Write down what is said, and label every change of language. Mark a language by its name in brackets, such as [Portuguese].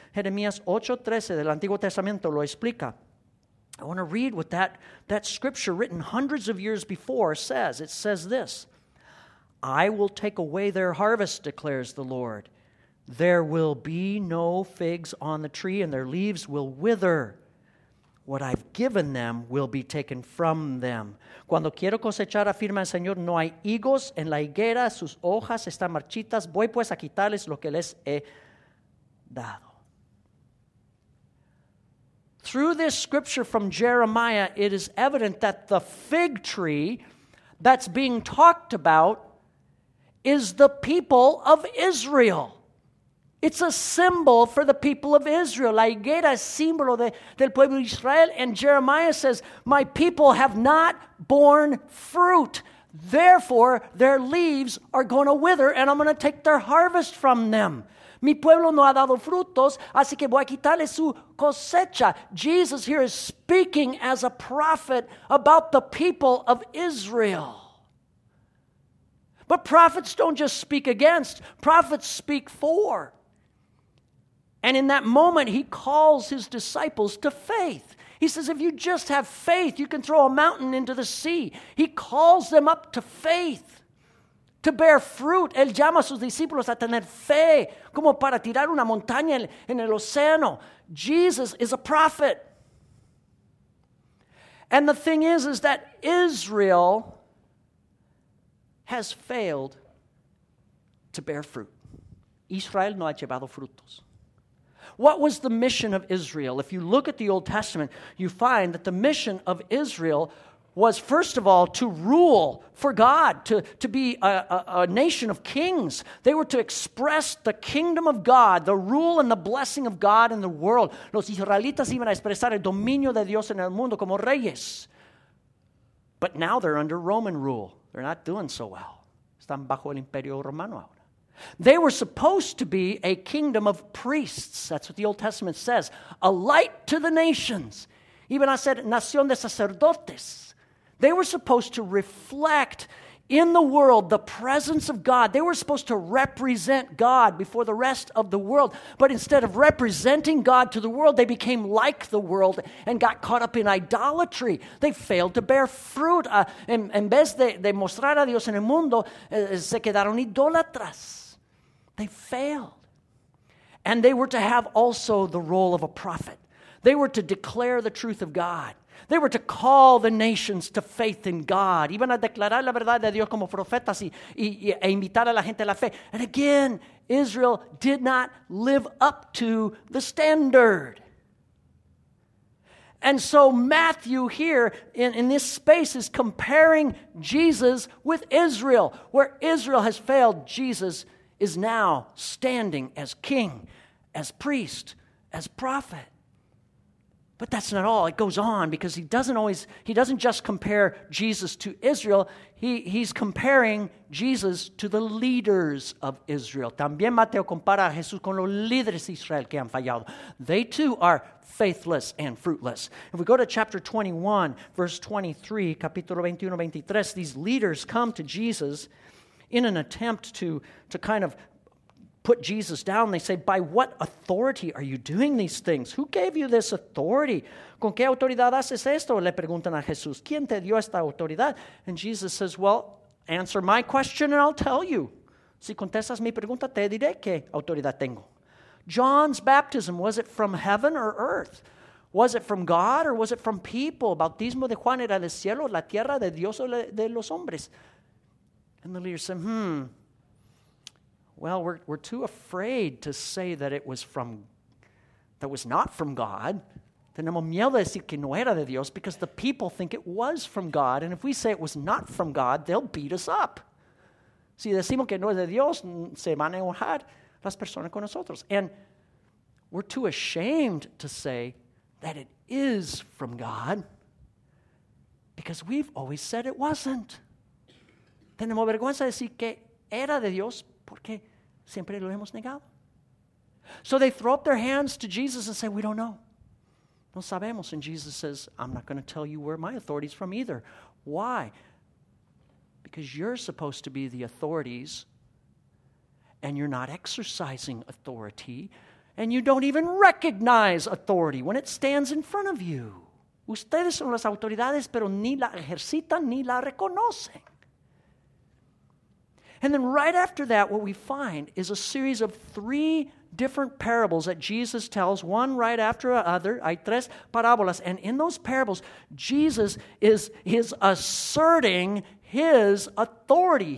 [Spanish] Jeremías 8:13 del Antiguo Testamento lo explica. [English] I want to read what that scripture written hundreds of years before says. It says this, I will take away their harvest, declares the Lord. There will be no figs on the tree, and their leaves will wither. What I've given them will be taken from them. [Spanish] Cuando quiero cosechar, afirma el Señor, no hay higos en la higuera, sus hojas están marchitas. Voy pues a quitarles lo que les he dado. [English] Through this scripture from Jeremiah, it is evident that the fig tree that's being talked about is the people of Israel. It's a symbol for the people of Israel. [Spanish] La higuera es símbolo del pueblo de Israel. [English] And Jeremiah says, my people have not borne fruit. Therefore, their leaves are going to wither and I'm going to take their harvest from them. [Spanish] Mi pueblo no ha dado frutos, así que voy a quitarle su cosecha. [English] Jesus here is speaking as a prophet about the people of Israel. But prophets don't just speak against. Prophets speak for. And in that moment, he calls his disciples to faith. He says, if you just have faith, you can throw a mountain into the sea. He calls them up to faith, to bear fruit. [Spanish] Él llama a sus discípulos a tener fe, como para tirar una montaña en el océano. [English] Jesus is a prophet. And the thing is that Israel has failed to bear fruit. [Spanish] Israel no ha llevado frutos. [English] What was the mission of Israel? If you look at the Old Testament, you find that the mission of Israel was, first of all, to rule for God, to be a nation of kings. They were to express the kingdom of God, the rule and the blessing of God in the world. [Spanish] Los israelitas iban a expresar el dominio de Dios en el mundo como reyes. [English] But now they're under Roman rule. They're not doing so well. [Spanish] Están bajo el imperio romano ahora. [English] They were supposed to be a kingdom of priests. That's what the Old Testament says. A light to the nations. [Spanish] Iban a ser nación de sacerdotes. [English] They were supposed to reflect in the world the presence of God. They were supposed to represent God before the rest of the world. But instead of representing God to the world, they became like the world and got caught up in idolatry. They failed to bear fruit. [Spanish] En vez de mostrar a Dios en el mundo, se quedaron idólatras. [English] They failed. And they were to have also the role of a prophet. They were to declare the truth of God. They were to call the nations to faith in God. Iban a declarar la verdad de Dios como profetas e invitar a la gente a la fe. And again, Israel did not live up to the standard. And so Matthew here in this space is comparing Jesus with Israel. Where Israel has failed, Jesus is now standing as king, as priest, as prophet. But that's not all. It goes on because he doesn't just compare Jesus to Israel. He's comparing Jesus to the leaders of Israel. [Spanish] También Mateo compara a Jesús con los líderes de Israel que han fallado. [English] They too are faithless and fruitless. If we go to chapter 21, verse 23, [Spanish] capítulo 21, 23, [English] these leaders come to Jesus in an attempt to kind of put Jesus down. They say, by what authority are you doing these things? Who gave you this authority? [Spanish] ¿Con qué autoridad haces esto? Le preguntan a Jesús. ¿Quién te dio esta autoridad? [English] And Jesus says, well, answer my question and I'll tell you. [Spanish] Si contestas mi pregunta, te diré qué autoridad tengo. [English] John's baptism, was it from heaven or earth? Was it from God or was it from people? [Spanish] Bautismo de Juan era del cielo, la tierra de Dios o de los hombres. [English] And the leader said, well, we're too afraid to say that it was from, that was not from God. [Spanish] Tenemos miedo de decir que no era de Dios [English] because the people think it was from God. And if we say it was not from God, they'll beat us up. [Spanish] Si decimos que no es de Dios, se van a enojar las personas con nosotros. [English] And we're too ashamed to say that it is from God because we've always said it wasn't. [Spanish] Tenemos vergüenza de decir que era de Dios porque siempre lo hemos negado. [English] So they throw up their hands to Jesus and say, we don't know. [Spanish] No sabemos. [English] And Jesus says, I'm not going to tell you where my authority is from either. Why? Because you're supposed to be the authorities and you're not exercising authority and you don't even recognize authority when it stands in front of you. [Spanish] Ustedes son las autoridades, pero ni la ejercitan ni la reconocen. [English] And then right after that, what we find is a series of three different parables that Jesus tells, one right after the other. [Spanish] Hay tres parábolas. [English] And in those parables, Jesus is asserting his authority.